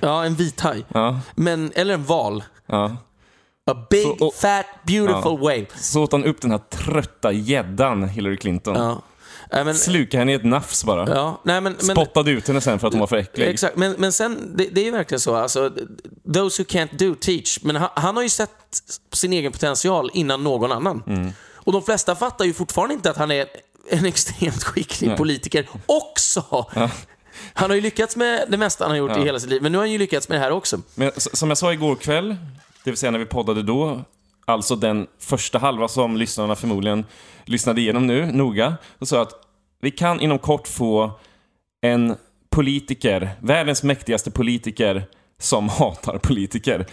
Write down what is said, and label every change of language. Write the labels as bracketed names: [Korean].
[Swedish] Ja, en vit haj. Ja. Men, eller en val. Ja. [English] A big, fat, beautiful whale. [Swedish] Så åt han upp den här trötta jäddan Hillary Clinton. Ja. Men, sluka henne i ett nafs bara. Ja, nej, men, spottade ut henne sen för att hon var för äcklig. Exakt, men sen, det är ju verkligen så. [English] Alltså, those who can't do, teach. [Swedish] Men han har ju sett sin egen potential innan någon annan. Mm. Och de flesta fattar ju fortfarande inte att han är en extremt skicklig politiker också. Ja. Han har ju lyckats med det mesta han har gjort i hela sitt liv. Men nu har han ju lyckats med det här också. Men, som jag sa igår kväll, det vill säga när vi poddade då, alltså den första halva som lyssnarna förmodligen lyssnade igenom nu noga, och sa att vi kan inom kort få en politiker, världens mäktigaste politiker, som hatar politiker.